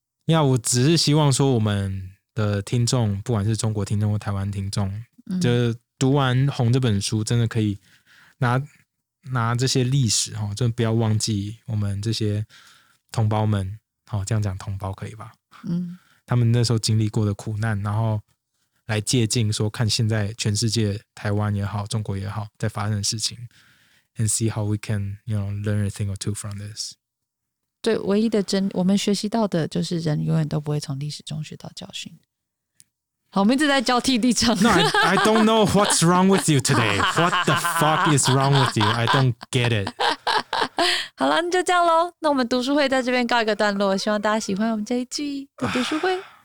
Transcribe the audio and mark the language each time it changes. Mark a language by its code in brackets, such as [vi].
[zh] 呀， yeah, 我只是希望说我们的听众，不管是中国听众或台湾听众，就读完《红》这本书真的可以拿这些历史，哦，真的不要忘记我们这些同胞们，哦，这样讲同胞可以吧，他们那时候经历过的苦难，然后来借镜说看现在全世界台湾也好中国也好在发生的事情， [en] and see how we can you know, learn a thing or two from this。 [zh] 对，唯一的真我们学习到的就是人永远都不会从历史中学到教训。好，我们一直在交替立场。 [en] No, I don't know what's wrong with you today. What the fuck is wrong with you? I don't get it. [zh] 好了，那就这样咯，那我们读书会在这边告一个段落，希望大家喜欢我们这一季的读书会。